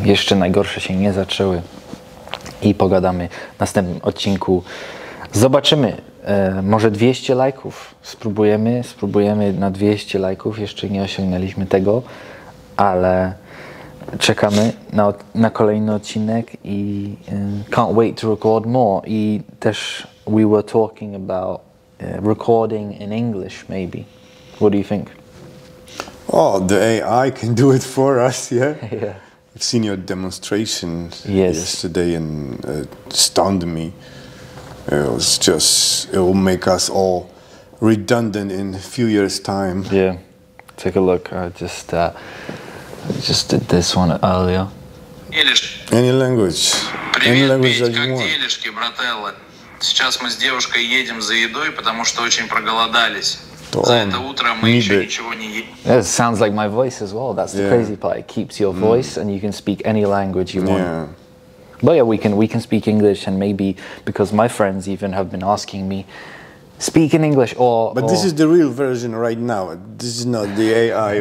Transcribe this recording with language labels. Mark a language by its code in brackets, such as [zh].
[pl] Jeszcze najgorsze się nie zaczęły. I pogadamy w następnym odcinku. Zobaczymy. Może 200 lajków. Spróbujemy na 200 lajków. Jeszcze nie osiągnęliśmy tego, ale czekamy na kolejny odcinek i [en] can't wait to record more. [pl] I też [en] we were talking about recording in English, maybe. What do you think? Oh, the AI can do it for us, yeah? Yeah. I've seen your demonstration yesterday and it stunned me. It was just, it will make us all redundant in a few years' time. Yeah, take a look. I just did this one earlier. Any language that you want. [ru] Привет, денежки, брателло. Сейчас мы с девушкой едем за едой, потому что очень проголодались. За это утро мы еще ничего не ели. [en] It sounds like my voice as well. That's the crazy part. It keeps your voice and you can speak any language you want. But yeah, we can speak English, and maybe because my friends even have been asking me, speak in English or... But this is the real version right now. This is not the AI